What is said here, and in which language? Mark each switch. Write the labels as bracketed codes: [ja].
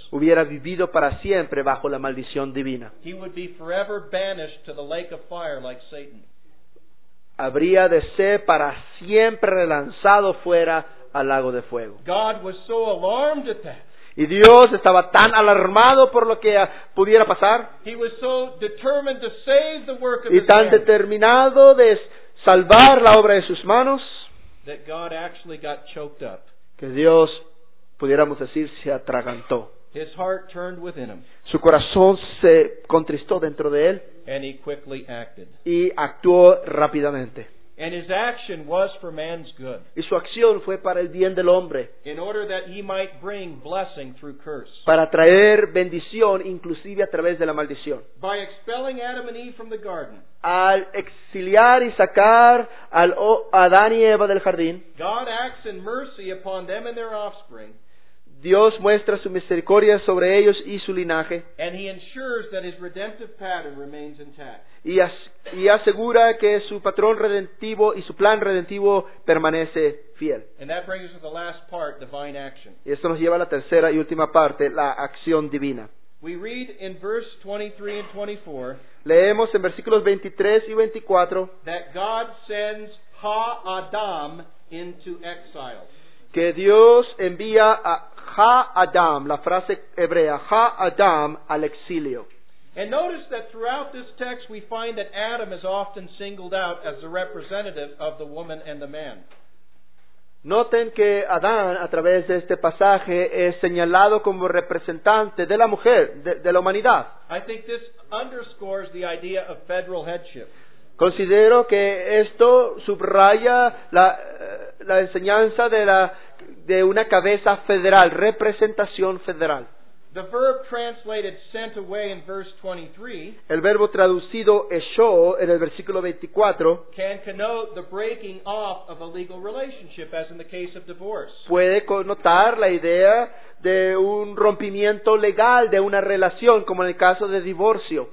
[es] Hubiera vivido para siempre bajo la maldición divina. [en] He would be forever banished to the lake of fire like Satan. [es] Habría de ser para siempre lanzado fuera al lago de fuego. [en] God was so alarmed at that. [es] Y Dios estaba tan alarmado por lo que pudiera pasar. [en] He was so determined to save the work of [es] y tan determinado de salvar la obra de sus manos. [en] That God actually got choked up. [es] Que Dios, pudiéramos decir, se atragantó. [en] His heart turned within him. [es] Su corazón se contristó dentro de él. [en] And he quickly acted. [es] Y actuó rápidamente. [en] And his action was for man's good. [es] Y su acción fue para el bien del hombre. [en] In order that he might bring blessing through curse. [es] Para traer bendición, inclusive a través de la maldición. [en] By expelling Adam and Eve from the garden. [es] Al exiliar y sacar al Adán y Eva del jardín. [en] God acts in mercy upon them and their offspring. [es] Dios muestra su misericordia sobre ellos y su linaje. [en] And he ensures that his redemptive pattern remains intact. [es] Y asegura que su patrón redentivo y su plan redentivo permanece fiel. [en] And that brings us to the last part, divine action. [es] Y esto nos lleva a la tercera y última parte, la acción divina. [en] We read in verse 23 and 24. [es] Leemos en versículos 23 y 24. [en] That God sends Ha-Adam into exile. [es] Que Dios envía a Ha-Adam, la frase hebrea, Ha-Adam, al exilio. [en] And notice that throughout this text we find that Adam is often singled out as the representative of the woman and the man. [es] Noten que Adán, a través de este pasaje, es señalado como representante de la mujer, de la humanidad. [en] I think this underscores the idea of federal headship. [es] Considero que esto subraya la enseñanza de una cabeza federal, representación federal. [en] The verb translated sent away in verse 23, [es] el verbo traducido echó en el versículo 24, [en] can connote the breaking off of a legal relationship, as in the case of divorce. [es] Puede connotar la idea de un rompimiento legal de una relación, como en el caso de divorcio.